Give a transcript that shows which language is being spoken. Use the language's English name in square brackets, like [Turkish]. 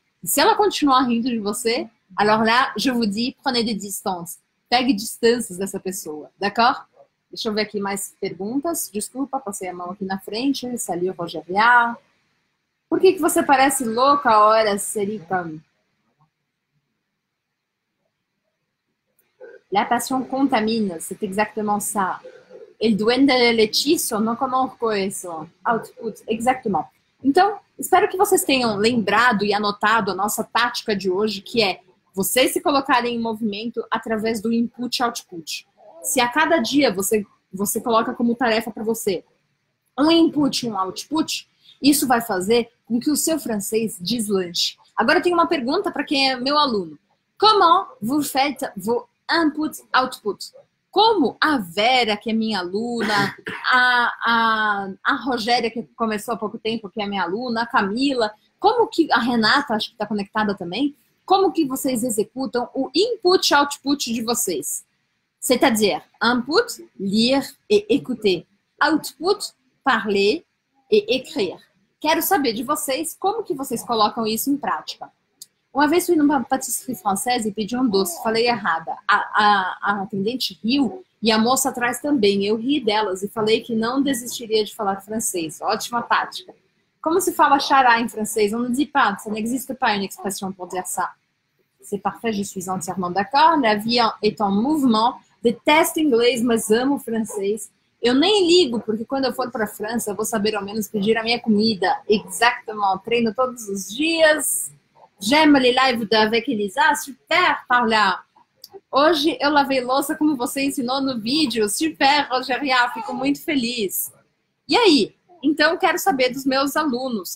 [Portuguese] E se ela continuar rindo de você, [French] alors là, je vous dis, prenez des distances. [Portuguese] Pegue distâncias dessa pessoa, d'accord? Deixa eu ver aqui mais perguntas. Desculpa, passei a mão aqui na frente. Salut, Roger Vial. Por que que você parece louca, ora, Serica? [French] La passion contamine, c'est exactement ça. [Spanish] El duende de l'hechizo, no conozco eso. [French] Output, exactement. [Portuguese] Então, espero que vocês tenham lembrado e anotado a nossa tática de hoje, que é vocês se colocarem em movimento através do input e output. Se a cada dia você coloca como tarefa para você um input e um output, isso vai fazer com que o seu francês deslanche. Agora eu tenho uma pergunta para quem é meu aluno. [French] Comment vous faites vos input, output? [Portuguese] Como a Vera, que é minha aluna, a Rogéria, que começou há pouco tempo, que é minha aluna, a Camila, como que a Renata, acho que está conectada também, como que vocês executam o input output de vocês? [French] C'est-à-dire, input, lire e écouter. Output, parler e écrire. [Portuguese] Quero saber de vocês como que vocês colocam isso em prática. Uma vez fui numa patisserie francesa e pedi um doce. Falei errada. A atendente riu e a moça atrás também. Eu ri delas e falei que não desistiria de falar francês. Ótima tática. Como se fala chará em francês? [French] On ne dit pas, ça n'existe pas une expression pour dire ça. C'est parfait, je suis entièrement d'accord. La vie est en mouvement. [Portuguese] Detesto inglês, mas amo francês. Eu nem ligo, porque quando eu for para a França, eu vou saber ao menos pedir a minha comida. Exactement, treino todos os dias. [French] J'aime les lives d'avec Elisa. [Portuguese] Super, Paula. Hoje eu lavei louça como você ensinou no vídeo. Super, Rogeria, fico muito feliz. E aí? Então, quero saber dos meus alunos.